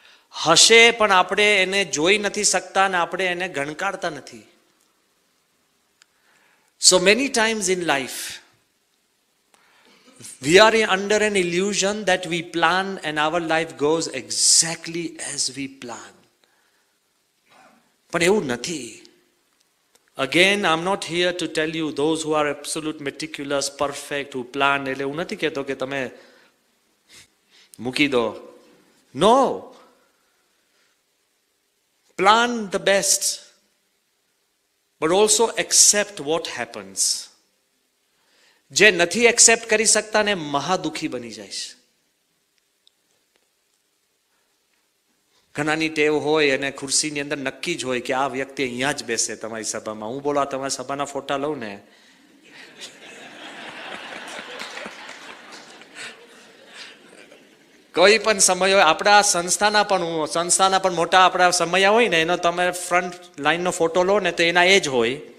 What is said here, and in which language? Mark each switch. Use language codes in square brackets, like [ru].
[gu] હશે પણ આપણે એને જોઈ નથી શકતા અને આપણે એને ગણકારતા નથી. [en] So many times in life, we are under an illusion that we plan and our life goes exactly as we plan. [gu] પણ એવું નથી. [en] Again, I'm not here to tell you those who are absolute meticulous, perfect, who plan, [gu] એટલે હું નથી કહેતો કે તમે મૂકી દો. [en] No. Plan the best, but also accept what happens. [gu] જે નથી એક્સેપ્ટ કરી શકતા ને મહાદુખી બની જાય છે. ઘણાની ટેવ હોય અને ખુરશીની અંદર નક્કી જ હોય કે આ વ્યક્તિ અહીંયા જ બેસે તમારી સભામાં. હું બોલો તમારી સભાના ફોટા લઉં ને, કોઈ પણ સમય હોય, આપણા સંસ્થાના પણ મોટા આપણા સમય હોય ને એનો તમે ફ્રન્ટ લાઈનનો ફોટો લો ને તો એના એ જ હોય.